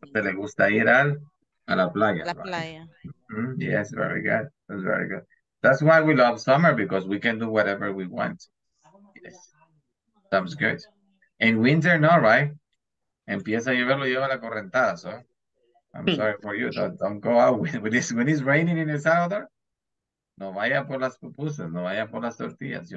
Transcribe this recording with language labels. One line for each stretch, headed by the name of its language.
Spanish: ¿Te le gusta ir al, a la playa? La playa.
English: Mm-hmm. Yes, very good. That's very good. That's why we love summer, because we can do whatever we want. Yes. Sounds good. In winter, no, right?
Spanish: Empieza a lloverlo, lleva la correntada, so.
English: I'm sorry for you. Don't go out when it's raining in El Salvador.
Spanish: No vaya por las pupusas, no vaya por las tortillas.